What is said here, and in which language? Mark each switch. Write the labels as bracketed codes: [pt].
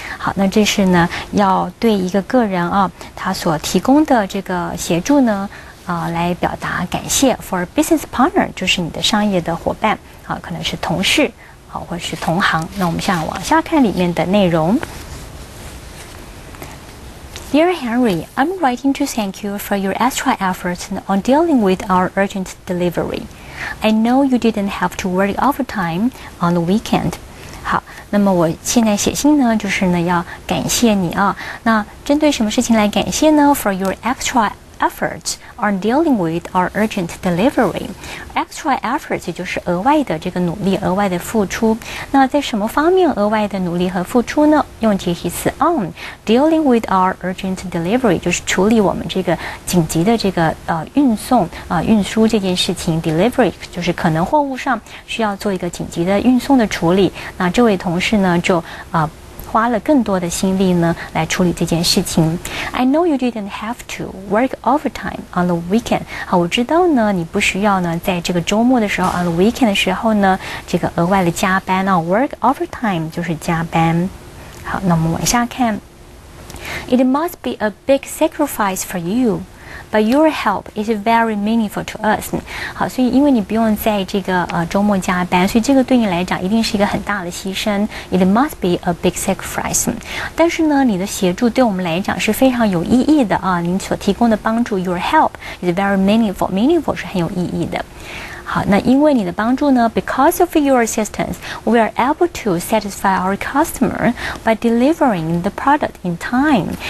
[zh] 好，那这是呢要对一个个人啊他所提供的这个协助呢来表达感谢。 [en] For a business partner [zh] 就是你的商业的伙伴啊，可能是同事好，或者是同行。那我们先往下看里面的内容。 [en] Dear Henry, I'm writing to thank you for your extra efforts on dealing with our urgent delivery. I know you didn't have to work overtime on the weekend. [zh] 好，那么我现在写信呢，就是呢要感谢你啊。那针对什么事情来感谢呢 [en] ？For your extra efforts on dealing with our urgent delivery. Extra effort [zh] 就是额外的这个努力，额外的付出。那在什么方面额外的努力和付出呢？用介系词 on。 [en] Dealing with our urgent delivery [zh] 就是处理我们这个紧急的这个运输这件事情。 Delivery 就是可能货物上需要做一个紧急的运送的处理。那这位同事呢，就花了更多的心力呢来处理这件事情。 [en] I know you didn't have to work overtime on the weekend. [zh] 好，我知道呢你不需要呢在这个周末的时候 [en] on the weekend [zh] 的时候呢这个额外的加班啊。 [en] Work overtime [zh] 就是加班。好，那我们往下看。 [en] It must be a big sacrifice for youBut your help is very meaningful to us. [zh] 好，所以因为你不用在这个周末加班，所以这个对你来讲一定是一个很大的牺牲。 [en] It must be a big sacrifice. [zh] 但是呢，你的协助对我们来讲是非常有意义的啊！您所提供的帮助 ， [en] your help is very meaningful. [zh] Meaningful 是很有意义的。好，那因为你的帮助呢 [en] ，because of your assistance, we are able to satisfy our customer by delivering the product in time.